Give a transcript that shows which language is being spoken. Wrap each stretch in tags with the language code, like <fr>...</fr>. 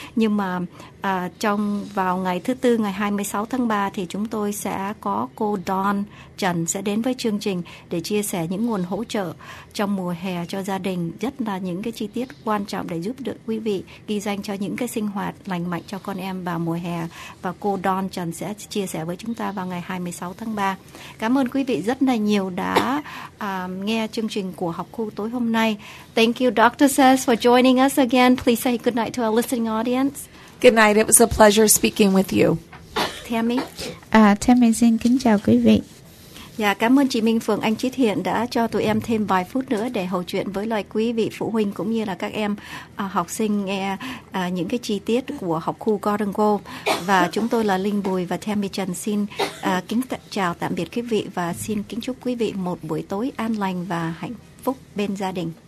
<vi>Nhưng mà trong vào ngày thứ tư, ngày 26 tháng 3 thì chúng tôi sẽ có cô Dawn Trần sẽ đến với chương trình để chia sẻ những nguồn hỗ trợ trong mùa hè cho gia đình, rất là những cái chi tiết quan trọng để giúp được quý vị ghi danh cho những cái sinh hoạt lành mạnh cho con em vào mùa hè. Và cô Dawn Trần sẽ chia sẻ với chúng ta vào ngày 26 tháng 3. Cảm ơn quý vị rất là nhiều đã nghe chương trình của Học Khu tối hôm nay.</vi> <en>Thank you, Dr. Sess, for joining us again. Please say good night to our listening audience. Good night. It was a pleasure speaking with you. Tammy.</en> <vi>Tammy xin kính chào quý vị. Dạ, cảm ơn chị Minh Phượng, anh Chí Thiện đã cho tụi em thêm vài phút nữa để hầu chuyện với lại quý vị phụ huynh cũng như là các em học sinh nghe những cái chi tiết của Học Khu Garden Grove. Và chúng tôi là Linh Bùi và Tammy Trần xin kính chào tạm biệt quý vị và xin kính chúc quý vị một buổi tối an lành và hạnh phúc bên gia đình.</vi>